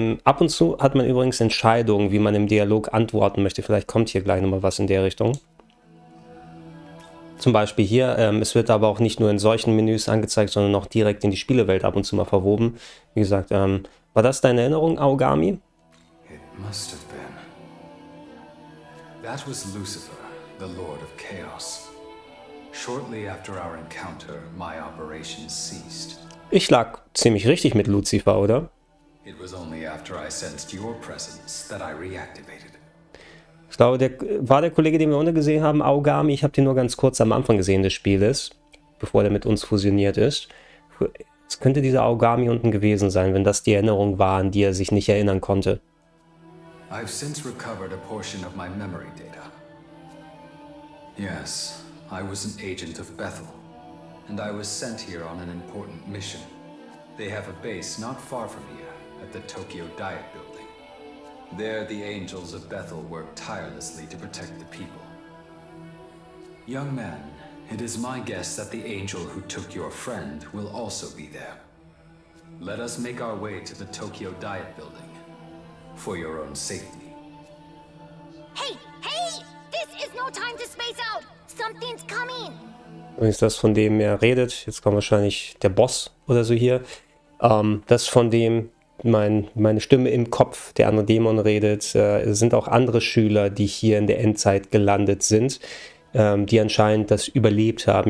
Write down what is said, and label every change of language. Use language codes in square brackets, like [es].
[de] Ab und zu hat man übrigens Entscheidungen, wie man im Dialog antworten möchte. Vielleicht kommt hier gleich nochmal was in der Richtung. Zum Beispiel hier, es wird aber auch nicht nur in solchen Menüs angezeigt, sondern auch direkt in die Spielewelt ab und zu mal verwoben. Wie gesagt, war das deine Erinnerung, Aogami? [en] It must have been. That was Lucifer, the Lord of Chaos. Shortly after our encounter, my operation ceased. [de] Ich lag ziemlich richtig mit Lucifer, oder? [en] It was only after I sensed your presence that I reactivated. [de] Ich glaube, der Kollege, den wir untergesehen haben, Aogami. Ich habe den nur ganz kurz am Anfang gesehen des Spieles, bevor der mit uns fusioniert ist. Es könnte dieser Aogami unten gewesen sein, wenn das die Erinnerung war, an die er sich nicht erinnern konnte. [en] I've since recovered a portion of my memory data. Yes, I was an agent of Bethel, and I was sent here on an important mission. They have a base not far from here, at the Tokyo Diet Building. There, the angels of Bethel work tirelessly to protect the people. Young man, it is my guess that the angel who took your friend will also be there. Let us make our way to the Tokyo Diet Building for your own safety. Hey, hey! This is no time to space out. Something's coming. [de] Und ist das, von dem er redet? Jetzt kommt wahrscheinlich der Boss oder so hier. Das von dem. Meine Stimme im Kopf, der andere Dämon redet, sind auch andere Schüler, die hier in der Endzeit gelandet sind, die anscheinend das überlebt haben.